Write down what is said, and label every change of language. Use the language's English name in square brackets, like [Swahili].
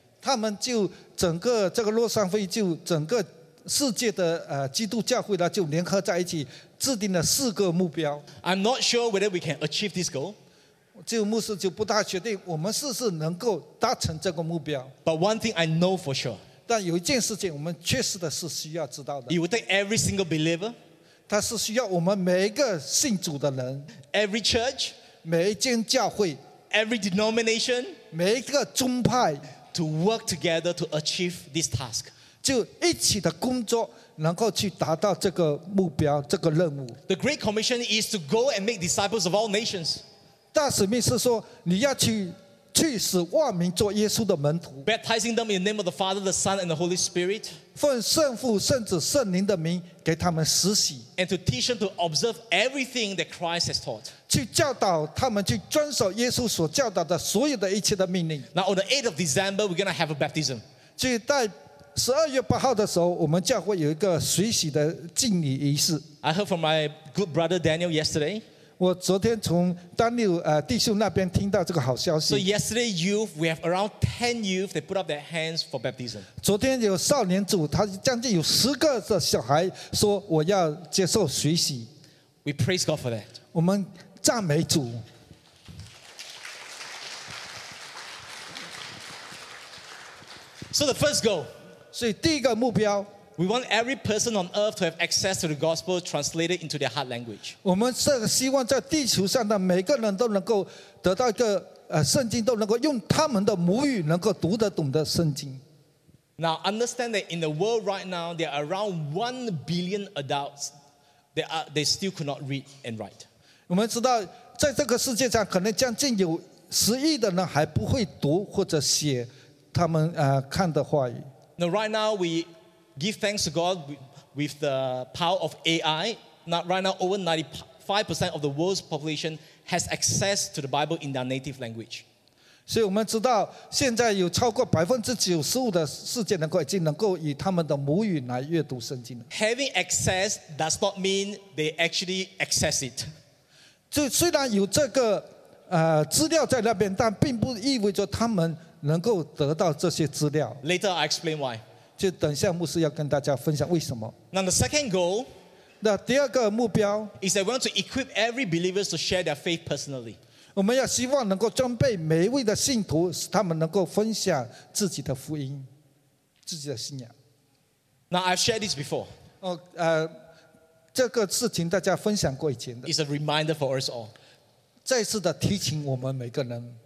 [Chinese] 他们就整个这个洛桑会就整个世界的基督教会呢就联合在一起制定了四个目标 [English] I'm not sure whether we can achieve this goal [Chinese] 就牧师就不大确定我们是不是能够达成这个目标 [English] But one thing I know for sure [Chinese] 但有一件事情我们确实的是需要知道的 [English] It would take every single believer [Chinese] 它是需要我们每一个信主的人 [English] Every church [Chinese] 每一间教会 [English] Every denomination [Chinese] 每一个宗派 [English] To work together to achieve this task, [Chinese] 就一起的工作，能够去达到这个目标，这个任务。 [English] The Great Commission is to go and make disciples of all nations. [Chinese] 大使命是说你要去使万民做耶稣的门徒。 [English] Baptizing them in the name of the Father, the Son, and the Holy Spirit. [Chinese] 奉圣父、圣子、圣灵的名给他们实习。 [English] And to teach them to observe everything that Christ has taught. [Chinese] 去教导他们去遵守耶稣所教导的所有的一切的命令。 [English] Now on the 8th of December, we're going to have a baptism. [Chinese] 就在12月8号的时候，我们教会有一个水洗的敬礼仪式。 [English] I heard from my good brother Daniel yesterday. [Chinese] 我昨天从丹尼尔弟兄那边听到这个好消息。 [English] So yesterday youth, we have around 10 youth that put up their hands for baptism. [Chinese] 昨天有少年组，他将近有十个的小孩说我要接受水洗。 [English] We praise God for that. [Chinese] 我们赞美主。 [English] So the first goal. [Chinese] 所以第一个目标。 [English] We want every person on earth to have access to the gospel translated into their heart language. [Chinese] 我们是希望在地球上的每个人都能够得到一个圣经，都能够用他们的母语能够读得懂的圣经。 [English] Now understand that in the world right now, there are around 1 billion adults that they still could not read and write. [Chinese] 我们知道在这个世界上，可能将近有10亿的人还不会读或者写他们看的话语。 [English] Now right now we Give thanks to God with the power of AI. Now, right now, over 95% of the world's population has access to the Bible in their native language. So we know that now, there are over 95% of the world's population can read the Bible in their native language. Having access does not mean they actually access it. [Chinese] 虽然有这个资料在那边，但并不意味着他们能够得到这些资料。 [English] Later, I explain why. [Chinese] 就等一下牧师要跟大家分享为什么。 [English] Now the second goal, [Chinese] 那第二个目标 [English] is that we want to equip every believer to share their faith personally. [Chinese] 我们要希望能够装备每一位的信徒，使他们能够分享自己的福音，自己的信仰。 [English] Now I've shared this before. [Chinese] 这个事情大家分享过以前的。 [English] It's a reminder for us all. [Chinese] 再次的提醒我们每个人。